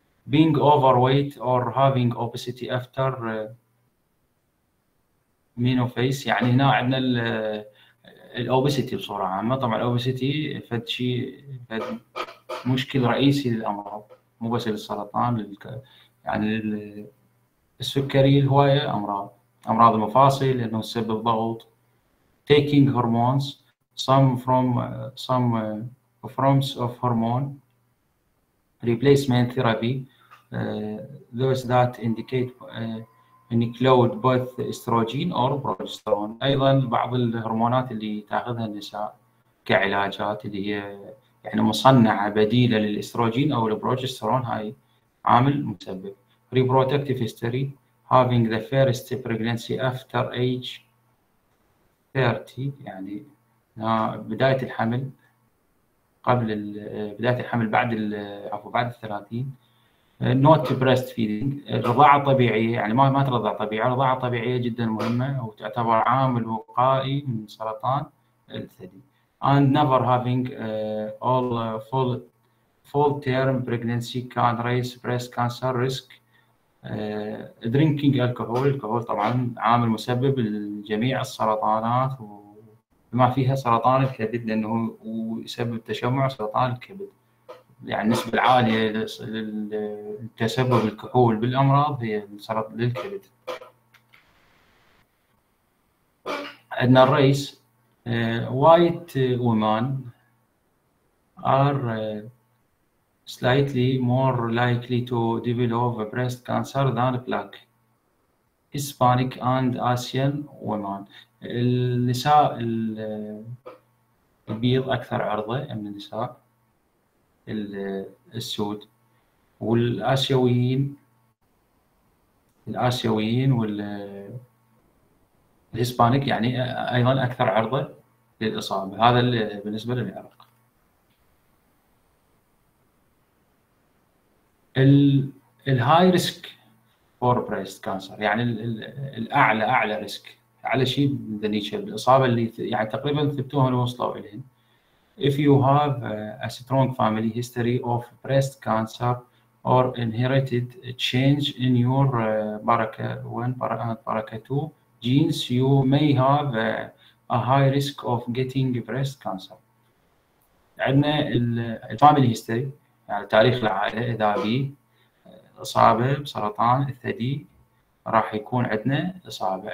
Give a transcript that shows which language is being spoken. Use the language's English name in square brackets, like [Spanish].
[English] Being overweight or having obesity after menopause، يعني هنا عندنا الأوبسيتي بصورة عامة. [Arabic] طبعا الأوبسيتي فد شيء، فد مشكل رئيسي للأمراض، مو بس للسرطان، يعني السكري، هواية أمراض المفاصل لأنه تسبب ضغط. [English] Taking hormones some forms of hormone replacement therapy those that indicate include both estrogen or progesterone. [Arabic] أيضا بعض الهرمونات اللي تأخذها النساء كعلاجات اللي هي يعني مصنعة بديلة للإستروجين أو البروجسترون، هاي عامل مسبب. [English] Reproductive history having the first pregnancy after age 30، يعني بداية الحمل قبل بداية الحمل بعد 30. [Arabic] Not breastfeeding، الرضاعة الطبيعية، يعني ما ترضع طبيعية، الرضاعة الطبيعية جدا مهمة وتعتبر عامل وقائي من سرطان الثدي. [English] And never having all full term pregnancy can raise breast cancer risk. [Arabic] Drinking alcohol، الكحول طبعا عامل مسبب لجميع السرطانات وما فيها سرطان الكبد، لأنه يسبب تشمع سرطان الكبد. يعني النسبة العالية للتسبب الكحول بالأمراض هي سرطان الكبد. [English] عندنا الرئيس white women are slightly more likely to develop breast cancer than black Hispanic and Asian women. [Arabic] النساء البيض أكثر عرضة من النساء السود، والآسيويين والهسبانيك يعني أيضا أكثر عرضة للإصابة. هذا بالنسبة للعرق. الـ high risk for breast cancer، يعني الأعلى ريسك، أعلى شيء بالنيتشر بالإصابة اللي يعني تقريبا ثبتوها ووصلوا إليهن. [English] If you have a strong family history of breast cancer or inherited change in your BRCA1/BRCA2 genes, you may have a high risk of getting breast cancer. [Arabic] عندنا الـ family history، يعني تاريخ العائلة، إذا بي إصابة بسرطان الثدي راح يكون عندنا إصابة.